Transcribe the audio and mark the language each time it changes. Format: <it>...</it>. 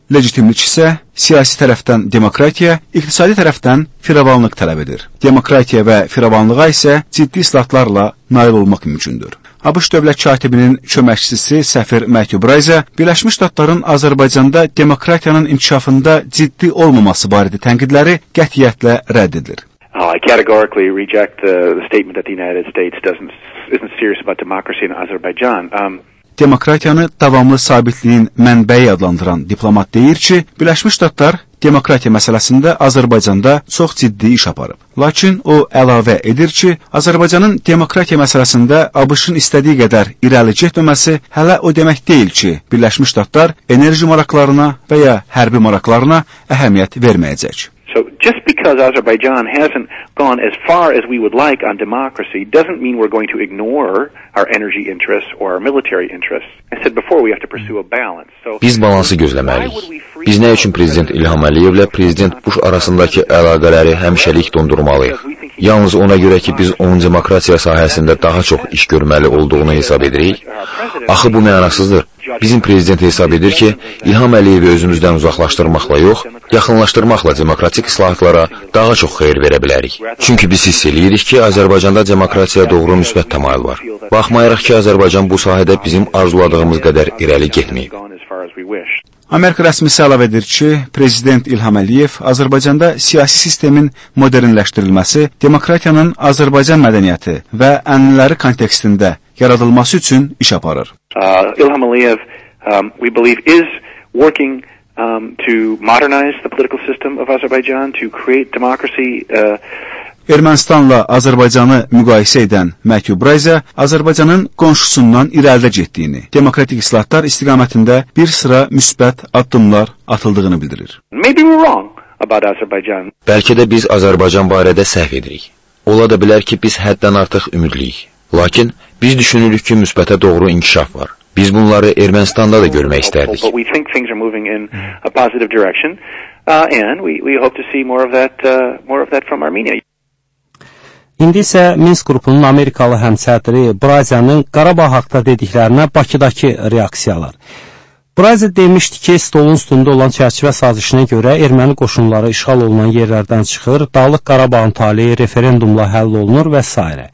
<az>Legitimlik isə siyasi tərəfdən demokratiya, iqtisadi tərəfdən firavanlıq tələb edir. Demokratiya və firavanlığa isə ciddi islahatlarla nail olmaq mümkündür. ABŞ dövlət katibinin köməkçisi səfir Matthew Bryson, Birləşmiş Ştatların Azərbaycanda demokratiyanın inkişafında ciddi olmaması barədə tənqidləri qətiyyətlə rədd edir.</az> <en>I categorically reject the statement that the United States isn't serious about democracy in Azerbaijan.</en> <az>Demokratiyanı davamlı sabitliyin mənbəyi adlandıran diplomat deyir ki, Birləşmiş Ştatlar demokratiya məsələsində Azərbaycanda çox ciddi iş aparıb. Lakin o əlavə edir ki, Azərbaycanın demokratiya məsələsində ABŞ-ın istədiyi qədər irəli getməməsi hələ o demək deyil ki, Birləşmiş Ştatlar enerji maraqlarına və ya hərbi maraqlarına əhəmiyyət verməyəcək.</az> <en>So just because Azerbaijan hasn't gone as far as we would like on democracy doesn't mean we're going to ignore our energy interests or our military interests. I said before we have to pursue a balance. So</en> <az>biz balansı gözləməliyik. Biz nə üçün prezident İlham Əliyevlə prezident Bush arasındakı əlaqələri həmişəlik dondurmalıyıq? Yalnız ona görə ki, biz onun demokratiya sahəsində daha çox iş görməli olduğunu hesab edirik. Axı bu mənasızdır. Bizim prezident hesab edir ki, İlham Əliyevi özümüzdən uzaqlaşdırmaqla yox, yaxınlaşdırmaqla demokratik islahatlara daha çox xeyir verə bilərik. Çünki biz hiss eləyirik ki, Azərbaycanda demokratiyaya doğru müsbət təmayül var. Baxmayaraq ki, Azərbaycan bu sahədə bizim arzuladığımız qədər irəli getməyib. Amerika rəsmisi əlavə edir ki, Prezident İlham Əliyev Azərbaycanda siyasi sistemin modernləşdirilməsi, demokratiyanın Azərbaycan mədəniyyəti və ənənələri kontekstində yaradılması üçün iş aparır.</az> <en>İlham Əliyev, we believe, is working to modernize the political system of Azerbaijan, to create democracy.</en> <az>Ermənistanla Azərbaycanı müqayisə edən Matthew Bryson, Azərbaycanın qonşusundan irəlidə getdiyini, demokratik islahatlar istiqamətində bir sıra müsbət addımlar atıldığını bildirir. Bəlkə də biz Azərbaycan barədə səhv edirik. Ola da bilər ki, biz həddən artıq ümidliyik. Lakin biz düşünürük ki, müsbətə doğru inkişaf var. Biz bunları Ermənistanda da görmək istərdik.</az> <en>But we think things are moving in a positive direction. And we hope to see more of that from Armenia.</en> <az>İndi isə Minsk qrupunun Amerikalı həmsədri Braziyanın Qarabağ haqda dediklərinə Bakıdakı reaksiyalar. Braziya demişdi ki, stolun üstündə olan çərçivə sazişinə görə erməni qoşunları işğal olunan yerlərdən çıxır, Dağlıq Qarabağın taleyi referendumla həll olunur və s.</az>